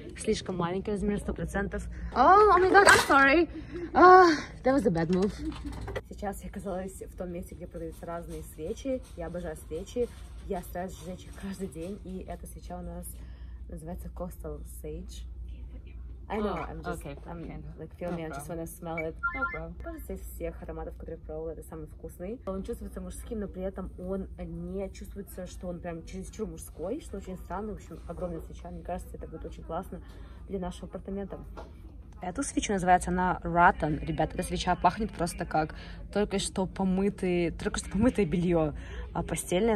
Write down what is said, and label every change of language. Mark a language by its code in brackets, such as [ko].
[ru] Слишком маленький размер, 100%. [en] О, my god, I'm sorry. That was a bad move. [ru] Сейчас я оказалась в том месте, где продаются разные свечи. Я обожаю свечи. Я стараюсь сжечь их каждый день. И эта свеча у нас называется Coastal Sage. [en] I know, I'm just, like, feel me, I just wanna smell it. No problem. [ru] Кажется, из всех ароматов, которые пробовала, это самый вкусный. Он чувствуется мужским, но при этом он не чувствуется, что он прям чересчур мужской, что очень странно. В общем, огромная свеча. Мне кажется, это будет очень классно для нашего апартамента. эту свечу, называется она Rattan. Ребята, эта свеча пахнет просто как только что помытое белье постельное.